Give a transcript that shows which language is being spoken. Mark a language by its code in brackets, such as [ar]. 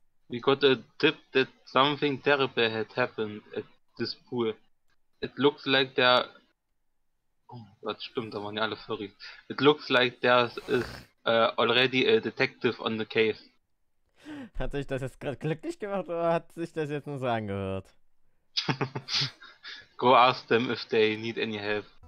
[en] We got a tip that something terrible had happened at this pool. It looks like there. Oh, that's [de] stimmt, da waren ja alle [en] furry. It looks like there is already a detective on the case. [de] Hat sich das jetzt gerade glücklich gemacht oder hat sich das jetzt nur so angehört? [en] Go ask them if they need any help.